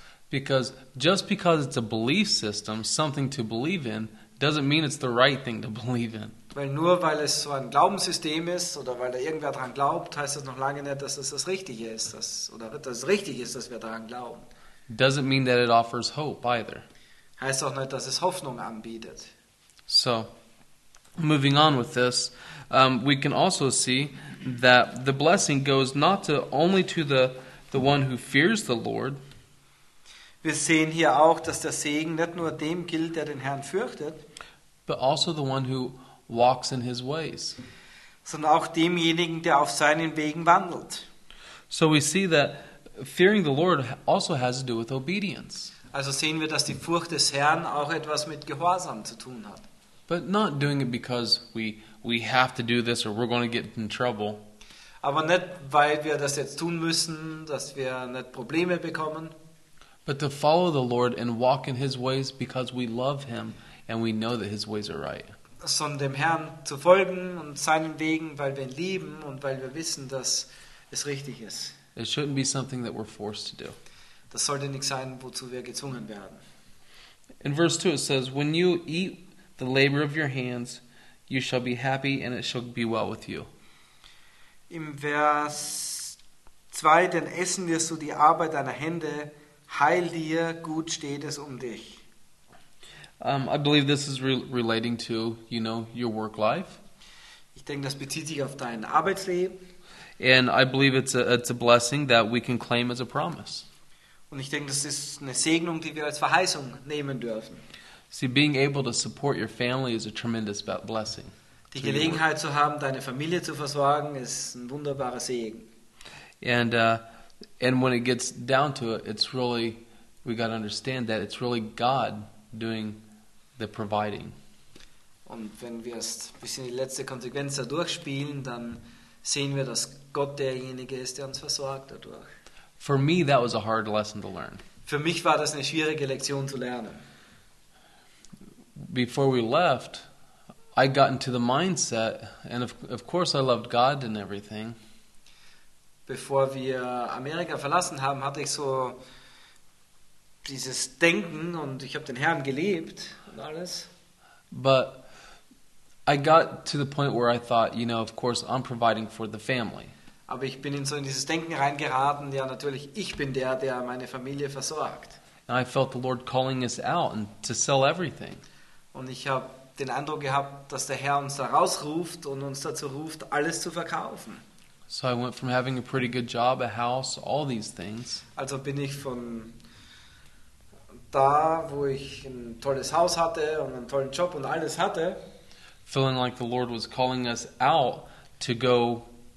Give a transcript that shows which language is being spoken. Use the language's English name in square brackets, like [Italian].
[English] Because just because it's a belief system, something to believe in, doesn't mean it's the right thing to believe in. [German] Weil nur weil es so ein Glaubenssystem ist oder weil da irgendwer dran glaubt, heißt das noch lange nicht, dass das Richtige ist, dass wir daran glauben. [English] Doesn't mean that it offers hope either. [German] Heißt auch nicht, dass es Hoffnung anbietet. [English] So, moving on with this, we can also see that the blessing goes not to only to the one who fears the Lord. [German] Wir sehen hier auch, dass der Segen nicht nur dem gilt, der den Herrn fürchtet, [English] but also the one who walks in his ways. [German] Sondern auch demjenigen, der auf seinen Wegen wandelt. [English] So we see that fearing the Lord also has to do with obedience. [German] Also sehen wir, dass die Furcht des Herrn auch etwas mit Gehorsam zu tun hat. [English] But not doing it because we have to do this or we're going to get in trouble. [German] Aber nicht, weil wir das jetzt tun müssen, dass wir nicht Probleme bekommen. [English] But to follow the Lord and walk in his ways because we love him and we know that his ways are right. [German] Sondern dem Herrn zu folgen und seinen Wegen, weil wir ihn lieben und weil wir wissen, dass es richtig ist. [English] It shouldn't be something that we're forced to do. [German] Das sollte nicht sein, wozu wir gezwungen werden. [English] In verse 2 it says, when you eat the labor of your hands, you shall be happy and it shall be well with you. [German] Im Vers 2, denn essen wirst du die Arbeit deiner Hände, heil dir, gut steht es um dich. [English] I believe this is relating to, you know, your work life. [German] Ich denke, das bezieht sich auf dein Arbeitsleben. [English] And I believe it's a blessing that we can claim as a promise. [German] Und ich denke, das ist eine Segnung, die wir als Verheißung nehmen dürfen. [English] See, being able to support your family is a tremendous blessing. [German] Die Gelegenheit zu haben, deine Familie zu versorgen, ist ein wunderbarer Segen. [English] And when it gets down to it, it's really, we got to understand that it's really God doing the providing. [German] Und wenn wir es bis in die letzte Konsequenz da durchspielen, dann sehen wir, dass Gott derjenige ist, der uns versorgt dadurch. [English] For me, that was a hard lesson to learn. [German] Für mich war das eine schwierige Lektion zu lernen. [English] Before we left, I got into the mindset, and of course I loved God and everything. [German] Bevor wir Amerika verlassen haben, hatte ich so dieses Denken und ich habe den Herrn geliebt und alles. [English] But I got to the point where I thought, you know, of course I'm providing for the family. [German] Aber ich bin in so in dieses Denken reingeraten, ja natürlich, ich bin der, der meine Familie versorgt. [English] And I felt the Lord calling us out and to sell everything. [German] Und ich habe den Eindruck gehabt, dass der Herr uns da rausruft und uns dazu ruft, alles zu verkaufen. [English] So I went from having a pretty good job, a house, all these things. [German] Also bin ich von da, wo ich ein tolles Haus hatte und einen tollen Job und alles hatte, [English] feeling like the Lord was calling us out to go.